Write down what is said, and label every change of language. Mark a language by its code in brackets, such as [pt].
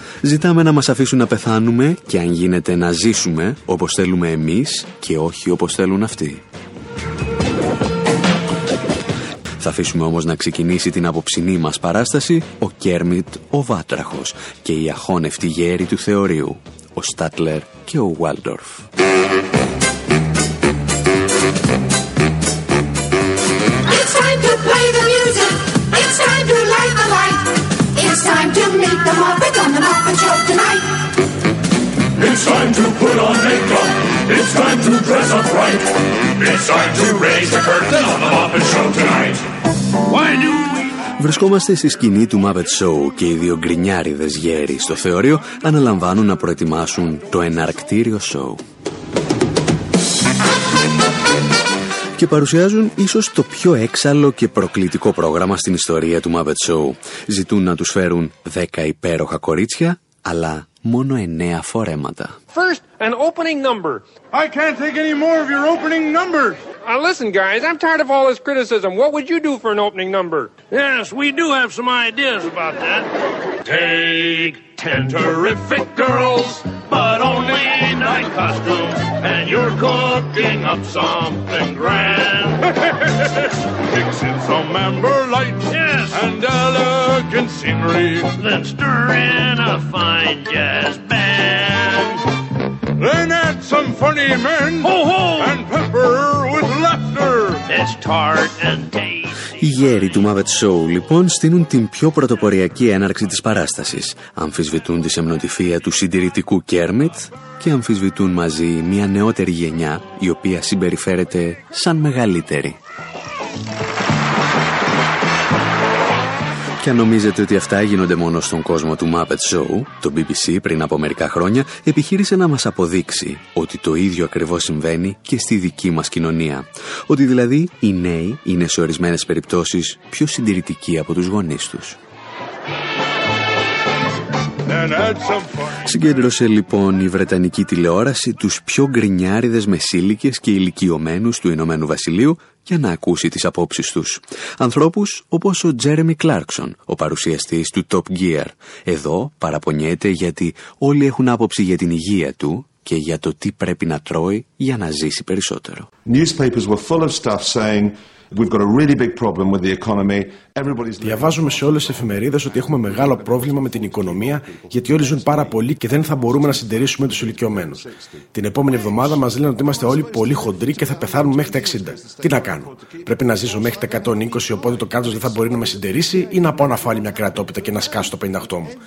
[el] Ζητάμε να μας αφήσουν να πεθάνουμε και αν γίνεται να ζήσουμε όπως θέλουμε εμείς και όχι όπως θέλουν αυτοί. Θα αφήσουμε όμως να ξεκινήσει την απόψινή μας παράσταση ο Κέρμιτ ο Βάτραχος και η αχώνευτη γέρη του θεωρίου, ο Στάτλερ και ο Βάλντορφ. [en] It's time to play the music, it's time to light the light, it's time to meet the Muppet on the Muppet Show tonight. It's time to put on makeup, it's time to dress up right, it's time to raise the curtain on the Muppet Show tonight. [el] Βρισκόμαστε στη σκηνή του Muppet Show και οι δύο γκρινιάριδες γέροι στο θεωρείο αναλαμβάνουν να προετοιμάσουν το εναρκτήριο show. Και παρουσιάζουν ίσως το πιο έξαλλο και προκλητικό πρόγραμμα στην ιστορία του Muppet Show. Ζητούν να τους φέρουν 10 υπέροχα κορίτσια, αλλά μόνο 9 φορέματα. [en] First, an opening number. I can't take any more of your opening numbers. Now listen, guys, I'm tired of all this criticism. What would you do for an opening number? Yes, we do have some ideas about that. Take 10 terrific girls, but only in night costumes, and you're cooking up something grand. Mix in some amber lights, yes, and elegant scenery. Then stir in a fine jazz band. Then add some funny men, ho, ho, and pepper with laughter. It's tart and tasty. [el] Οι γέροι του Muppet Show λοιπόν στείνουν την πιο πρωτοποριακή έναρξη της παράστασης. Αμφισβητούν τη σεμνοτυφία του συντηρητικού Kermit και αμφισβητούν μαζί μια νεότερη γενιά η οποία συμπεριφέρεται σαν μεγαλύτερη. Και αν νομίζετε ότι αυτά γίνονται μόνο στον κόσμο του Muppet Show, το BBC πριν από μερικά χρόνια επιχείρησε να μας αποδείξει ότι το ίδιο ακριβώς συμβαίνει και στη δική μας κοινωνία. Ότι δηλαδή οι νέοι είναι σε ορισμένες περιπτώσεις πιο συντηρητικοί από τους γονείς τους. Συγκέντρωσε λοιπόν η Βρετανική τηλεόραση τους πιο γκρινιάριδες μεσήλικες και ηλικιωμένους του Ηνωμένου Βασιλείου για να ακούσει τις απόψεις τους. Ανθρώπους όπως ο Τζέρεμι Κλάρκσον, ο παρουσιαστής του Top Gear. Εδώ παραπονιέται γιατί όλοι έχουν άποψη για την υγεία του και για το τι πρέπει να τρώει για να ζήσει περισσότερο. [en] Newspapers were full of stuff saying We've got a really big problem with the economy. [el] Διαβάζουμε σε όλες τις εφημερίδες ότι έχουμε μεγάλο πρόβλημα με την οικονομία, γιατί όλοι ζουν πάρα πολύ και δεν θα μπορούμε να συντηρήσουμε τους ηλικιωμένους. Την επόμενη εβδομάδα μας λένε ότι είμαστε όλοι πολύ χοντροί και θα πεθάνουμε μέχρι τα 60. Τι να κάνω? Πρέπει να ζήσω μέχρι τα 120, οπότε το κράτος δεν θα μπορεί να με συντηρήσει, ή να πάω να φάω μια κρατόπιτα και να σκάσω το 58 μου?